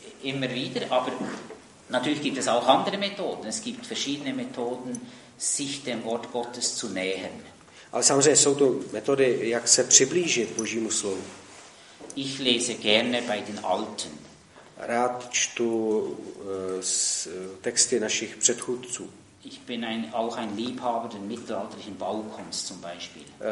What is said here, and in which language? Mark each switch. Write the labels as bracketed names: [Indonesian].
[German] Immer wieder, aber natürlich gibt es auch andere Methoden. Es gibt verschiedene Methoden, sich dem Wort Gottes zu nähern. [Czech] Ale samozřejmě jsou to metody, jak se přiblížit Božímu slovu. [German] Ich lese gerne bei den Alten. [Czech] Rád čtu texty našich předchůdců. [German] Ich bin auch ein Liebhaber der mittelalterlichen Baukunst zum Beispiel.